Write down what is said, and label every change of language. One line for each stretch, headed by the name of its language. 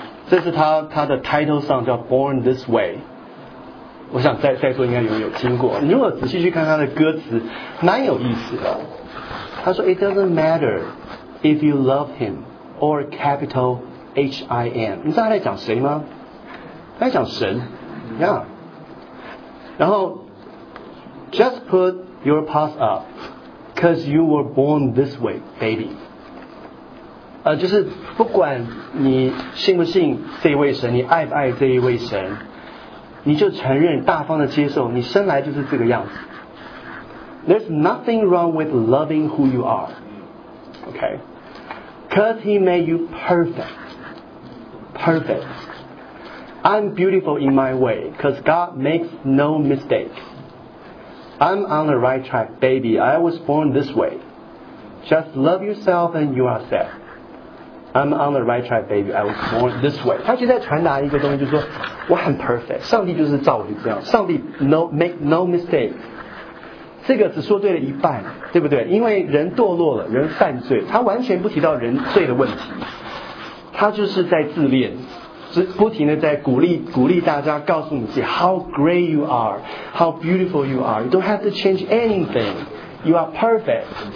Chinese: 这是他的 title song 叫 Born This Way。我想在座应该有听过，你如果仔细去看他的歌词，蛮有意思的。他说
English: It doesn't matter if you love him or capital H-I-M，
Chinese: 你知道他在讲谁吗？他在讲神、yeah. 然后
English: Just put your past up cause you were born this way baby，
Chinese: 就是不管你信不信这一位神，你爱不爱这一位神，你就承认大方的接受你生来就是这个样子。
English: There's nothing wrong with loving who you are. Okay? Because he made you perfect. Perfect. I'm beautiful in my way. Because God makes no mistakes. I'm on the right track, baby. I was born this way. Just love yourself and you are set. I'm on the right track, baby. I was born this way.
Chinese: 他其实在传达一个东西，就是说我很 perfect. 上帝就是造我就这样。上帝
English: make no mistakes.
Chinese: 这个只说对了一半，对不对？因为人堕落了，人犯罪，他完全不提到人罪的问题，他就是在自恋，不停地在鼓励大家，告诉你自己
English: How great you are, How beautiful you are, You don't have to change anything, You are perfect。